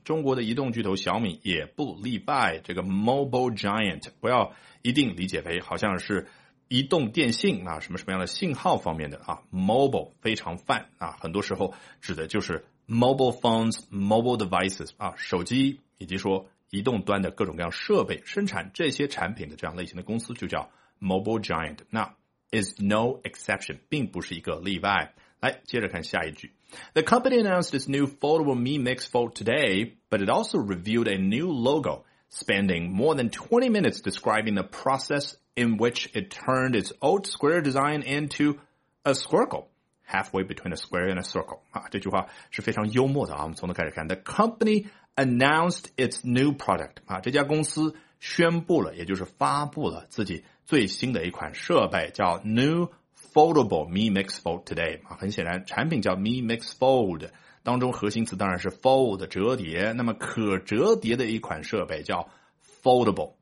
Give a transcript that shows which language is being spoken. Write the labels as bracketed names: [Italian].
[Chinese] 中国的移动巨头小米也不例外。这个 mobile giant 不要一定理解为好像是移动电信啊什么什么样的信号方面的啊， mobile 非常泛啊，很多时候指的就是 mobile phones, mobile devices, 啊手机以及说移动端的各种各样设备，生产这些产品的这样类型的公司就叫 mobile giant。那 [English] is no exception [Chinese] 并不是一个例外。 [English] 来接着看下一句， The company announced its new foldable Mi Mix Fold today, but it also revealed a new logo, spending more than 20 minutes describing the process in which it turned its old square design into a squircle halfway between a square and a circle、 [Chinese] 啊、这句话是非常幽默的、啊、我们从头开始看。 [English] The companyannounced its new product、 [Chinese] 啊、这家公司宣布了，也就是发布了自己最新的一款设备，叫 New Foldable Mi Mix Fold Today、啊、很显然产品叫 Mi Mix Fold, 当中核心词当然是 Fold 折叠，那么可折叠的一款设备叫 Foldable。